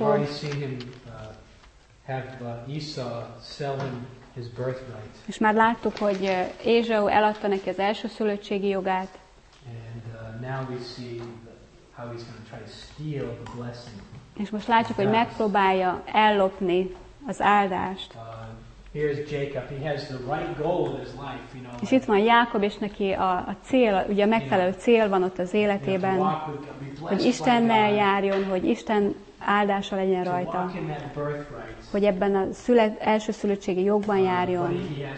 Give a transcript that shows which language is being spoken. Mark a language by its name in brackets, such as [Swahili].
[English] We've already seen him have Esau sell him his birthright. [Hungarian] És már láttuk, hogy Ézsau eladta neki az elsőszülöttségi jogát. [English] Now we see how he's going to try to steal the blessing. [Hungarian] És most látjuk, hogy megpróbálja ellopni az áldást. [English] Here's Jacob. He has the right goal in his life, you know. [Hungarian] És itt van Jákob, és neki a cél, ugye a megfelelő cél van ott az életében, hogy Istennel járjon, hogy Isten áldása legyen rajta, hogy ebben a elsőszülöttségi jogban járjon.